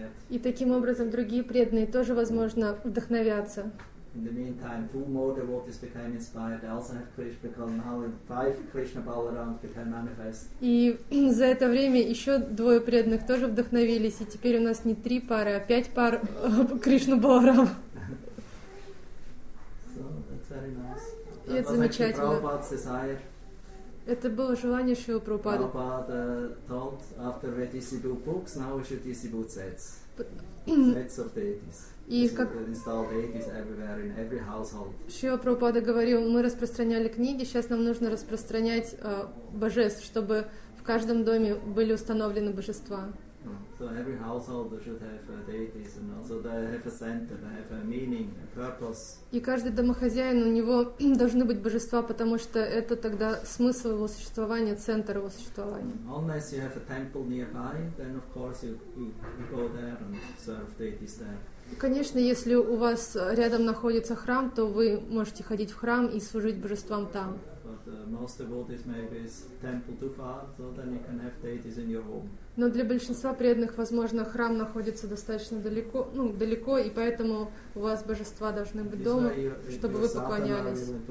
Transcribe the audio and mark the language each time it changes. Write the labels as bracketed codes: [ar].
[ru] И таким образом другие преданные тоже, возможно, вдохновятся. [en] In the meantime, two more devotees became inspired. They also have Krishna, because now five Krishna Balarams became manifest. [ru] И за это время еще двое преданных тоже вдохновились, и теперь у нас не три пары, а пять пар Кришна Баларам. [en] So that's very nice. [ru] И это замечательно. Это было желание Шрилы Прабхупады. [en] Prabhupada told after we distribute books, now we should distribute sets. Sets of deities. [ru] И как Шрила Прабхупада говорил, мы распространяли книги, сейчас нам нужно распространять божеств, чтобы в каждом доме были установлены божества. [en] So every household should have a deity, and also they have a center, they have a meaning, a purpose. [ru] И каждый домохозяин, у него должны быть божества, потому что это тогда смысл его существования, центр его существования. [en] Unless you have a temple nearby, then of course you go there and serve deities there. [ru] Конечно, если у вас рядом находится храм, то вы можете ходить в храм и служить божествам там. Но для большинства преданных, возможно, храм находится достаточно далеко, ну, далеко, и поэтому у вас божества должны быть дома, чтобы вы поклонялись.